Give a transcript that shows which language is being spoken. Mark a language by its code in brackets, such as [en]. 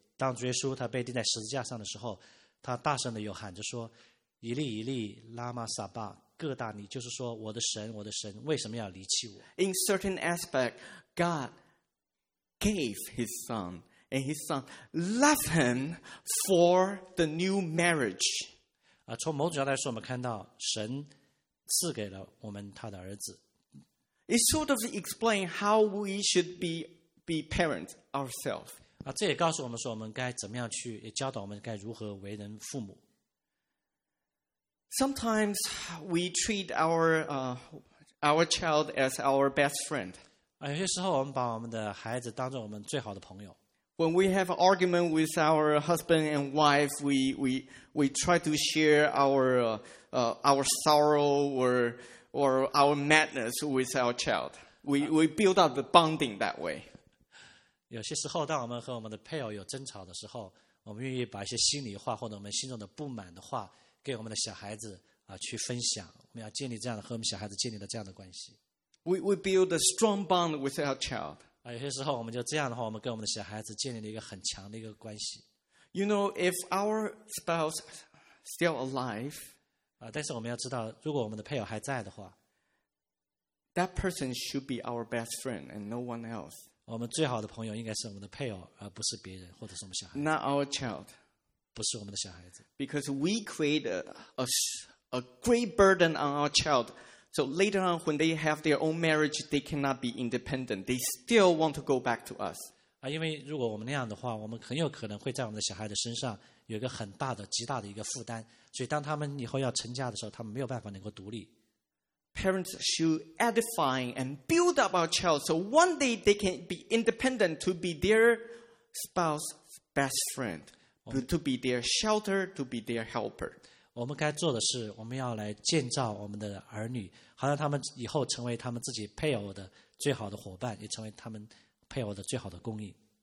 [zh] 当主耶稣他被钉在十字架上的时候，他大声的有喊着说，以利以利，拉玛撒巴，各大尼，就是说，我的神，我的神，为什么要离弃我？ [en] In certain aspect, God gave his son. And his son left him for the new marriage. [zh] 从某种角度来说，我们看到神赐给了我们他的儿子。 [en] It sort of explains how we should be parents ourselves. [zh] 这也告诉我们说，我们该怎么样去，也教导我们该如何为人父母。 [en] Sometimes we treat our child as our best friend. [zh] 有些时候，我们把我们的孩子当作我们最好的朋友。 [en] When we have an argument with our husband and wife, we try to share our sorrow or our madness with our child. We build up the bonding that way. [zh] 有些时候，当我们和我们的配偶有争吵的时候，我们愿意把一些心里话或者我们心中的不满的话给我们的小孩子去分享。我们要建立这样的和我们小孩子建立的这样的关系。 [en] We build a strong bond with our child. [zh] 有些时候我们就这样的话，我们跟我们的小孩子建立了一个很强的一个关系。 [en] You know, if our spouse still alive, [zh] 但是我们要知道，如果我们的配偶还在的话 [en] ，that person should be our best friend and no one else. [zh] 我们最好的朋友应该是我们的配偶，而不是别人或者是我们小孩子。 [en] Not our child, [zh] 不是我们的小孩子。 [en] Because we create a great burden on our child. So later on, when they have their own marriage, they cannot be independent. They still want to go back to us. [zh] 因为如果我们那样的话，我们很有可能会在我们的小孩的身上有一个很大的、极大的一个负担。所以当他们以后要成家的时候，他们没有办法能够独立。 [en] Parents should edify and build up our child so one day they can be independent to be their spouse's best friend, to be their shelter, to be their helper. [zh] 我们该做的是，我们要来建造我们的儿女，好让他们以后成为他们自己配偶的最好的伙伴，也成为他们配偶的最好的供应。